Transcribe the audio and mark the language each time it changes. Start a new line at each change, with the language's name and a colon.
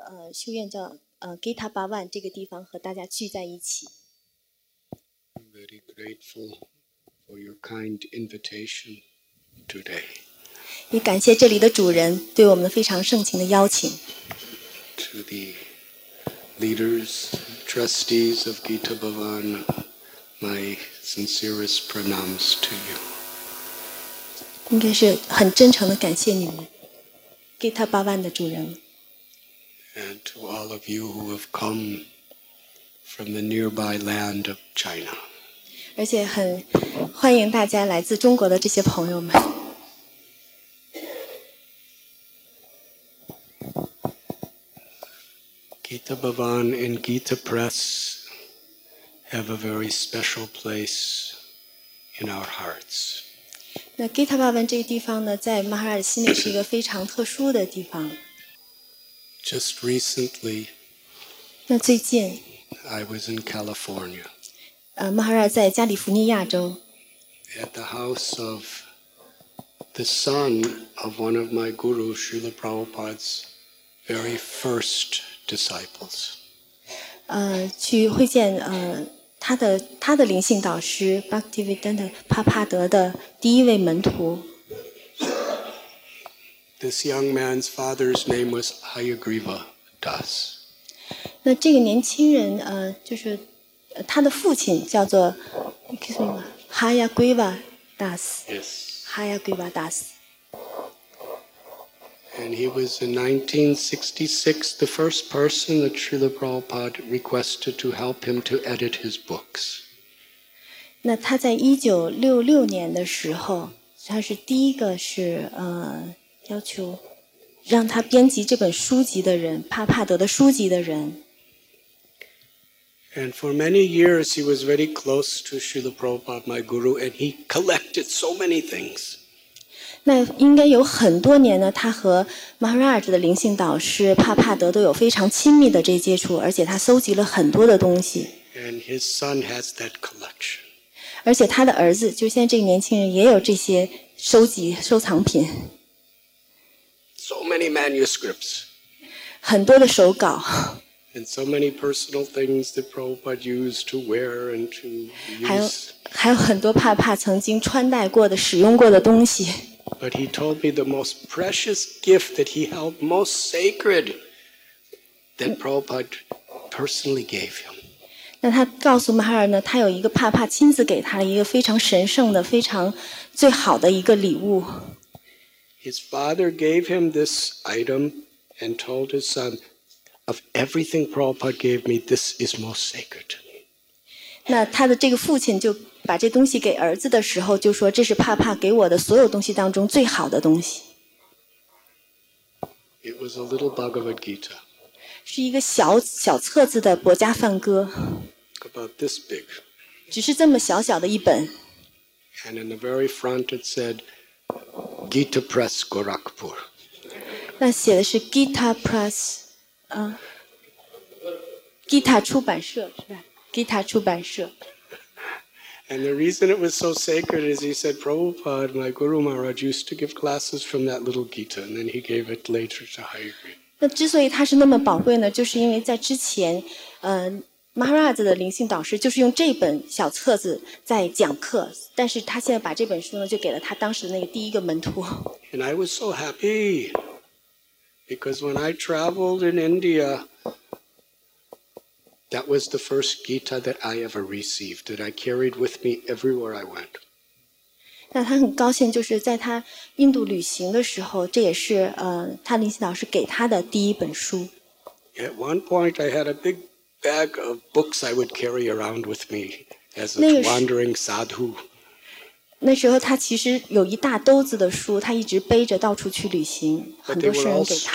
Chinese: 修院叫Gita Bhavan 这个地方和大家聚在一起。
English: I'm very grateful for your kind invitation today.
Chinese: 也感谢这里的主人对我们非常盛情的邀请。
English: To the leaders, trustees of Gita Bhavan, my sincerest pranams to you.
Chinese: 应该是很真诚的感谢你们 ，Gita Bhavan 的主人。
English: And to all of you who have come from the nearby land of China.
Chinese: 而且很欢迎大家来自中国的这些朋友们。
English: Gita Bhavan and Gita Press have a very special place in our hearts.
Chinese: 那 Gita Bhavan 这个地方呢，在马哈尔心里是一个非常特殊的地方。
English: Just recently,
Chinese: 那最近
English: I was in California.
Chinese: 马哈尔在加利福尼亚州。
English: At the house of the son of one of my guru, Srila Prabhupada's very first disciples.
Chinese: 去会见他的灵性导师 Bhaktivedanta Prabhupada 的第一位门徒。
English: This young man's father's name was Hayagriva Das.
Chinese: 那这个年轻人就是他的父亲叫做 Hayagriva Das.
English: Yes. Hayagriva Das. And he was in 1966 the first person that Srila Prabhupada requested to help him to edit his books.
Chinese: 那他在1966年的时候，他是第一个是要求让他编辑这本书籍的人，帕帕德的书籍的人。
English: And for many years he was very close to Srila Prabhupada, my guru, and he collected so many things.
Chinese: 那应该有很多年呢，他和 Maharaj 的灵性导师帕帕德都有非常亲密的这接触，而且他搜集了很多的东西。
English: And his son has that collection.
Chinese: 而且他的儿子，就现在这个年轻人，也有这些收集收藏品。
English: So many manuscripts.
Chinese: 很多的手稿。
English: And so many personal things that Prabhupada used to wear and to use.
Chinese: 还有很多帕帕曾经穿戴过的、使用过的东西。
English: But he told me the most precious gift that he held most sacred that Prabhupada personally gave him.
Chinese: 那他告诉马哈尔呢，他有一个帕帕亲自给他一个非常神圣的、非常最好的一个礼物。
English: His father gave him this item and told his son, "Of everything Prabhupada gave me, this is most sacred."
Chinese: 那他的这个父亲就把这东西给儿子的时候，就说这是帕帕给我的所有东西当中最好的东西。
English: It was a little Bhagavad Gita.
Chinese: 是一个小小册子的《薄伽梵歌》。
English: About this big.
Chinese: 只是这么小小的一本。
English: And in the very front, it said. Gita Press Gorakhpur.
Chinese: 那写的是 Gita Press， Gita 出版社是吧 ？Gita 出版社。
English: And the reason it was so sacred is he said, Prabhupada, my Guru Maharaj used to give classes from that little Gita, and then he gave it later to Hayagriva.
Chinese: 那之所以它是那么宝贵呢，就是因为在之前，Maharaj 的灵性导师就是用这本小册子在讲课，但是他现在把这本书呢，就给了他当时的那个第一个门徒。
English: And I was so happy because when I traveled in India, that was the first Gita that I ever received that I carried with me everywhere I went.
Chinese: 那他很高兴，就是在他印度旅行的时候，这也是他灵性导师给他的第一本书。
English: At one point, I had a big bag of books I would carry around with me as a wandering sadhu.
Chinese: 那时候他其实有一大兜子的书，他一直背着到处去旅行，很多是人给他的。